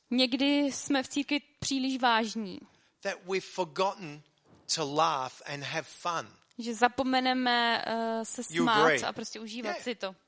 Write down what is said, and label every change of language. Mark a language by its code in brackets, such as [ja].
[cs] Někdy jsme v církvi příliš vážní. [en] That we've forgotten to laugh and have fun. [cs] Že zapomeneme se smát a prostě užívat si to.